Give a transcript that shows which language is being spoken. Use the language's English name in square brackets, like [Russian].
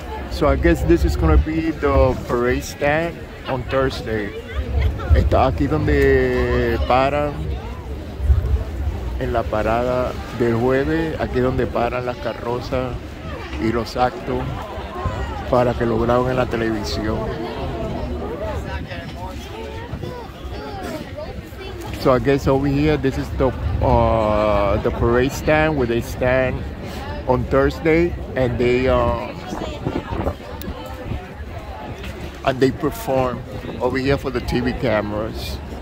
[English] So I guess this is gonna be the parade stand on Thursday. [Spanish] Está aquí donde paran en la parada del jueves. Aquí donde paran las carrozas y los actos para que lo graben en la televisión. [English] So I guess over here, this is the parade stand where they stand on Thursday and they perform over here for the TV cameras.